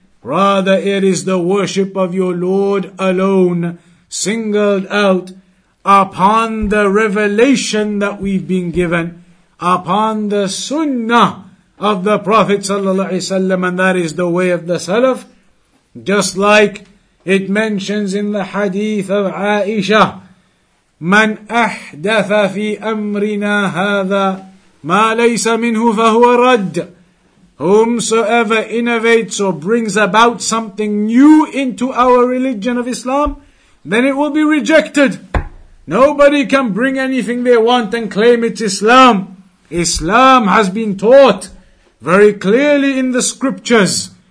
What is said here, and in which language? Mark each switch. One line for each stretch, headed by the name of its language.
English: Rather, it is the worship of your Lord alone, singled out upon the revelation that we've been given, upon the sunnah of the Prophet ﷺ, and that is the way of the Salaf. Just like it mentions in the hadith of Aisha,
Arabic: من أحدث في أمرنا هذا ما ليس منه فهو رد.
English: Whomsoever innovates or brings about something new into our religion of Islam, then it will be rejected. Nobody can bring anything they want and claim it's Islam. Islam has been taught very clearly in the scriptures.